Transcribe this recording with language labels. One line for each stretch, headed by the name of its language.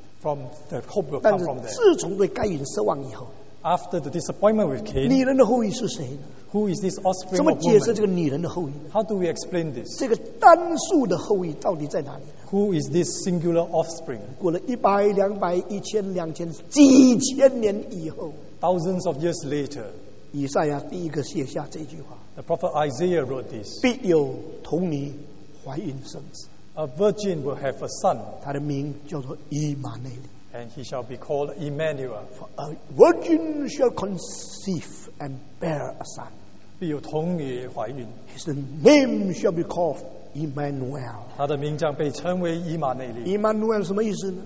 English: from the hope will come from there.
Chinese: 自从对该隐失望以后,
English: after the disappointment with Cain,
Chinese: 女人的后裔是谁?
English: Who is this offspring of woman?
Chinese: 怎么解释这个女人的后裔?
English: How do we explain this?
Chinese: 这个单数的后裔到底在哪里?
English: Who is this singular offspring?
Chinese: 过了100, 200, 1000, 2000, 几千年以后,
English: thousands of years later,
Chinese: 以赛亚第一个写下这句话,
English: the prophet Isaiah wrote this,
Chinese: 必有童女怀孕生子,
English: a virgin will have a son,
Chinese: 他的名叫做以马内利,
English: and he shall be called Emmanuel. For a virgin shall conceive and bear a son,
Chinese: 必有童女怀孕,
English: his name shall be called Emmanuel.
Chinese: 他的名将被称为以马内利。 Emmanuel 什么意思呢?